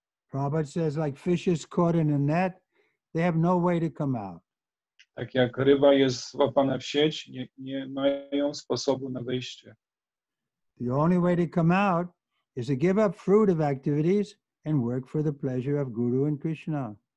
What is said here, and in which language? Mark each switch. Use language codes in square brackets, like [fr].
[en] Prabhupada says, like fishes caught in a net, they have no way to come out. [pl] Tak jak ryba jest złapana w sieć, nie mają sposobu na wyjście. [en] The only way to come out is to give up fruitive activities and work for the pleasure of Guru and Krishna.